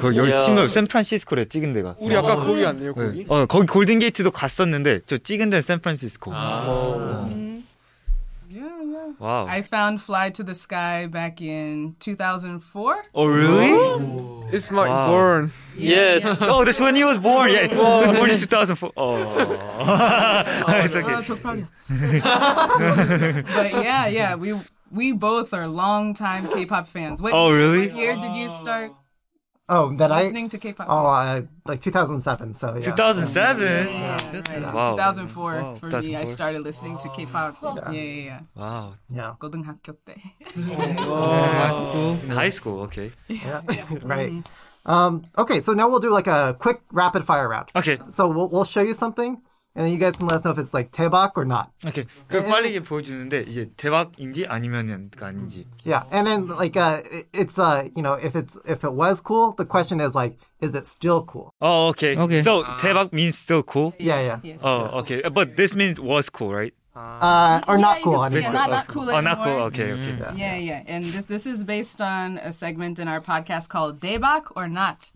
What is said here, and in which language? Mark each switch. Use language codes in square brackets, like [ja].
[ko] 거 열심히 샌프란시스코래 찍은 데가. 우리 아까 거기 왔네요, 거기. 어, 거기 골든 게이트도 갔었는데 저 찍은 데는 샌프란시스코. 아. [en] Wow. I found Fly to the Sky back in 2004. Oh, really? Ooh. It's my born. Yes. Yeah. Oh, that's when he was born. Yeah, he was born in 2004. Oh. It's okay. But yeah, we both are longtime K-pop fans. What, oh, really? What year did you start listening to K-pop? Oh, like 2007. 2007? Yeah. Wow. 2004 for 2004. Me, I started listening to K-pop. Wow. [ko] 고등학교 때. [en] High school, okay. Yeah. Right. Okay, so now we'll do like a quick rapid fire round. Okay. So we'll show you something. And then you guys can let us know if it's like 대박 or not. Okay. [ko] 그 빨리 보여주는데 이제 대박인지 아니면은 아닌지. [en] Yeah. And then like it's you know if it was cool, the question is it still cool? Oh, okay. Okay. So 대박 means still cool. Yeah. Yes. Oh, okay. But this means was cool, right? Not cool anymore. Okay. Yeah. And this is based on a segment in our podcast called Daebak or Not.